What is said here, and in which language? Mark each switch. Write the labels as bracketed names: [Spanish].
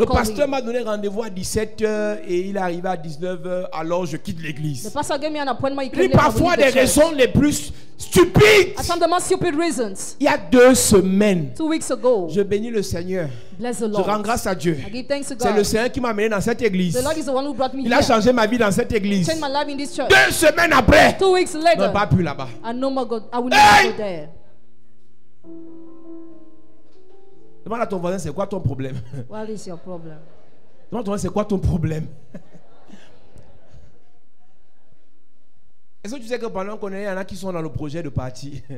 [English] call him. [French] Le pasteur m'a donné rendez-vous à 17h et il est arrivé à 19h, alors je quitte l'église. [English] The pastor gave me an appointment. [French] Il parfois des raisons les plus stupides. [English] I found the most stupid reasons. [French] Il y a deux semaines, [English] 2 weeks ago, [French] je bénis le Seigneur. [English] Bless the Lord. [French] Je rends grâce à Dieu. [English] I give thanks to God. [French] C'est le Seigneur qui m'a amené dans cette église. [English] The Lord is the one who brought me [French] il [English] here. [French] A changé ma vie dans cette église. [English] Changed my life in this church. [French] Deux semaines après, [English] 2 weeks later, [French] non, pas plus là-bas. [English] I know my God. I will never go there. [French] Demande à ton voisin, c'est quoi ton problème? [English] What is your problem? [French] Demande à ton voisin, c'est quoi ton problème? Est-ce que tu sais que pendant qu'on est, il y en a qui sont dans le projet de partir.